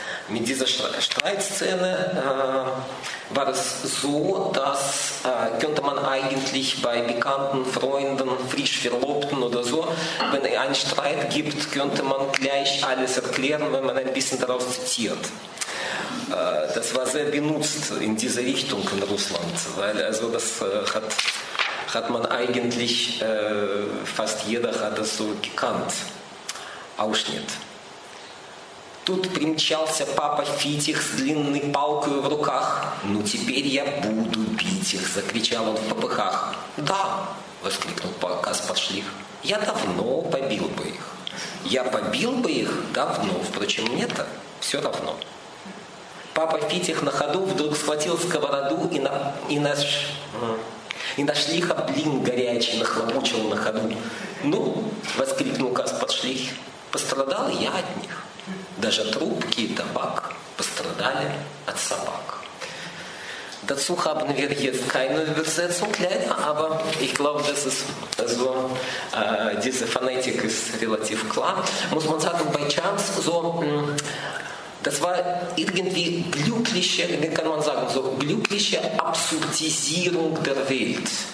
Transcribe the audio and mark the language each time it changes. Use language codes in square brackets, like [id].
[de] Mit dieser Streitszene war es so, dass könnte man eigentlich bei bekannten Freunden, frisch Verlobten oder so, wenn es einen Streit gibt, könnte man gleich alles erklären, wenn man ein bisschen daraus zitiert. Das war sehr benutzt in dieser Richtung in Russland, weil also das hat man eigentlich, fast jeder hat das so gekannt, Ausschnitt. [ru] Тут примчался папа Фитих с длинной палкой в руках. «Ну, теперь я буду бить их!» — закричал он в попыхах. «Да!» — воскликнул Каспар Шлих. «Я давно побил бы их!» «Я побил бы их давно! Впрочем, мне-то все равно!» Папа Фитих на ходу вдруг схватил сковороду и на Шлиха блин горячий нахлопучил на ходу. «Ну!» — воскликнул Каспар Шлих. «Пострадал я от них!» Даже трубки и табак пострадали от собак. [de] Dazu haben wir jetzt keine Übersetzung leider, aber ich glaube, das ist so, diese Phonetik ist relativ klar. Muss man sagen, bei Chans, so, das war irgendwie glückliche, wie kann man sagen, so glückliche Absurdisierung der Welt.